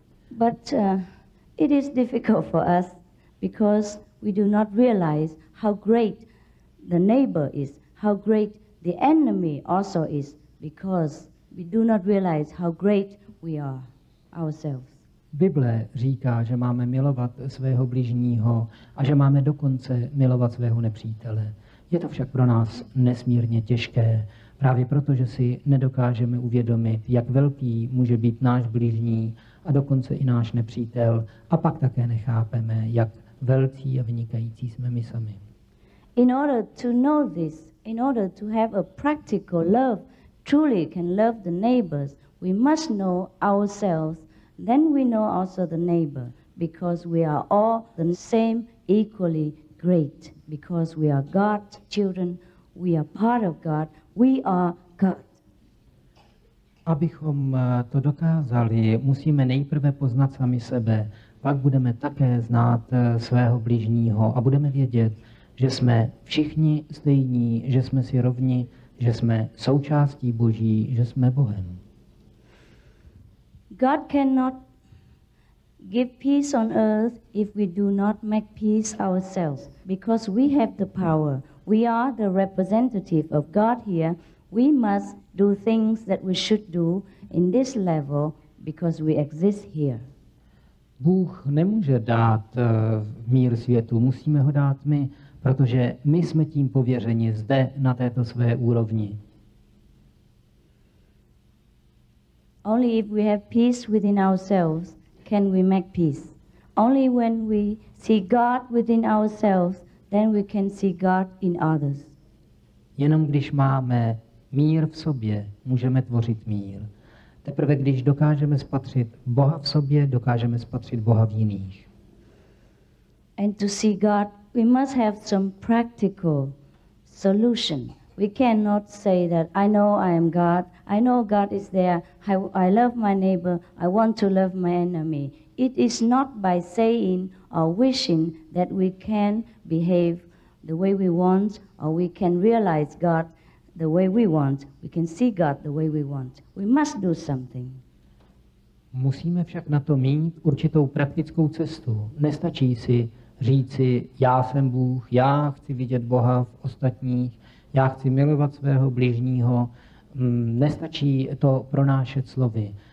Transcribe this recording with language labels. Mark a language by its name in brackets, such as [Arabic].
[English] But it is difficult for us because we do not realize how great the neighbor is, how great the enemy also is, because we do not realize how great we are ourselves. [Czech] Bible říká, že máme milovat svého blížního a že máme dokonce milovat svého nepřítele. Je to však pro nás nesmírně těžké, právě proto, že si nedokážeme uvědomit, jak velký může být náš blížní a dokonce i náš nepřítel, a pak také nechápeme, jak velcí a vynikající jsme my sami. [English] In order to know this, in order to have a practical love, truly can love the neighbors, we must know ourselves, then we know also the neighbor, because we are all the same, equally great, because we are God's children, we are part of God, we are God. [Czech] Abychom to dokázali, musíme nejprve poznat sami sebe, pak budeme také znát svého bližního a budeme vědět, že jsme všichni stejní, že jsme si rovni, že jsme součástí Boží, že jsme Bohem. [English] God cannot give peace on earth if we do not make peace ourselves, because we have the power. We are the representative of God here. We must do things that we should do in this level because we exist here. [Czech] Bůh nemůže dát mír světu, musíme ho dát my, protože my jsme tím pověřeni zde na této své úrovni. [English] Only if we have peace within ourselves can we make peace. Only when we see God within ourselves, then we can see God in others. [Czech] Jenom když máme mír v sobě, můžeme tvořit mír. Teprve když dokážeme spatřit Boha v sobě, dokážeme spatřit Boha v jiných. [English] And to see God, we must have some practical solution. We cannot say that I know I am God, I know God is there, I love my neighbor, I want to love my enemy. It is not by saying or wishing that we can behave the way we want, or we can realize God the way we want, we can see God the way we want. We must do something. [Czech] Musíme však na to mít určitou praktickou cestu. Nestačí si říci, já jsem Bůh, já chci vidět Boha v ostatních, já chci milovat svého bližního, nestačí to pronášet slovy.